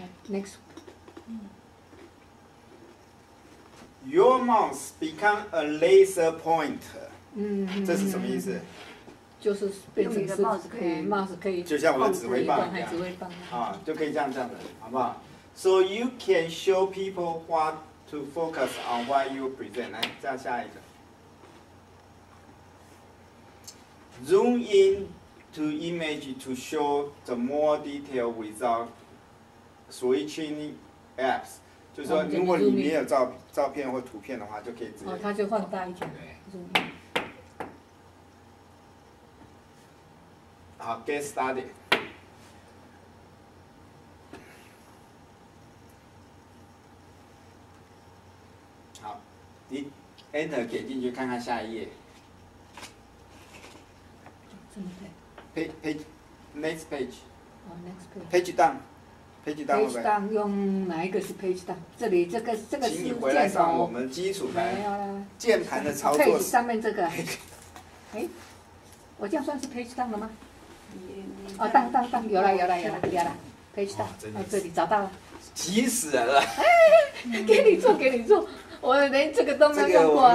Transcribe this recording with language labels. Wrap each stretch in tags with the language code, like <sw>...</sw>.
<en>Next。 Your mouse become a laser pointer。</en> <zh>嗯。这是什么意思？就是变成是帽子可以，就像我的指挥棒一样。指挥棒。啊，就可以这样的，好不好？</zh> <en>So you can show people what to focus on while you present.</en> <zh>来，再下一个。</zh> <en>Zoom in to image to show the more detail without switching apps.</en> <zh>就是说，如果你没有照片或图片的话，就可以直接。哦，它就放大一点。对。</zh> <en>好 ，get started.</en> <zh>你 Enter 点进去看看下一页。这么快？</zh> <en>page，next page。哦 ，next page。 page down，page down。</en> <zh>page down 用哪一个是 page down？这里这个是键盘。请你回来上我们基础班。没有啦。键盘的操作。 page 上面这个。哎，我这样算是 page down 了吗？哦，down，有了。</zh> <en>page down，</en> <zh>这里找到了，急死人了！给你做，我连这个都没有用过、啊。</zh>